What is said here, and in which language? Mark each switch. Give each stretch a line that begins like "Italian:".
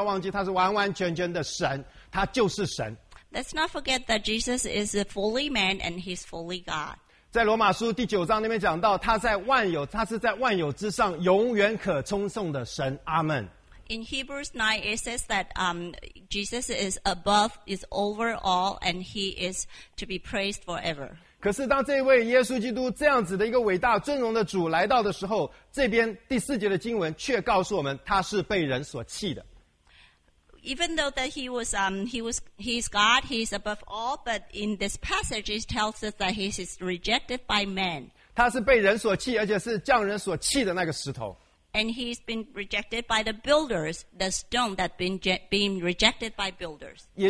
Chinese: 所以当我们面对耶稣基督的时候，我们看见他虽然是一个完完全全的人，但他更是不要忘记他是完完全全的神，他就是神。
English: Let's not forget that Jesus is a fully man and he's fully God.
Chinese: 在罗马书第九章那边讲到，他在万有，他是在万有之上永远可称颂的神。阿门。
English: In Hebrews 9, it says that Jesus is above, is over all, and he is to be praised forever.
Chinese: 可是当这位耶稣基督这样子的一个伟大尊荣的主来到的时候，这边第四节的经文却告诉我们，他是被人所弃的。Even
English: though that he's God, he's above all, but in this passage, it tells us that he is rejected by man.
Chinese: 他是被人所弃，而且是匠人所弃的那个石头。
English: And he's been rejected by the builders, the stone that been rejected by builders.